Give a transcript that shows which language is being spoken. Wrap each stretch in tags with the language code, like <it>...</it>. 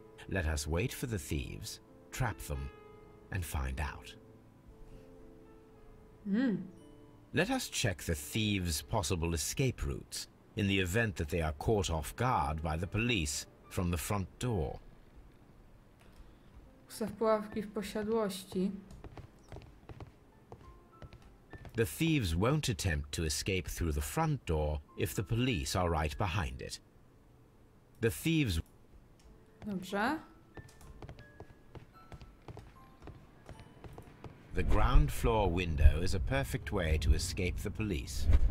<en>Let us wait for the thieves, trap them, and find out. Let us check the thieves' possible escape routes. In the event that they are caught off guard by the police from the front door.</en> <pl>Ustaw puławki w posiadłości.</pl> <en>The thieves won't attempt to escape through the front door if the police are right behind it. The thieves.</en> <pl>Dobrze.</pl> <en>The ground floor window is a perfect way to escape the police.</en>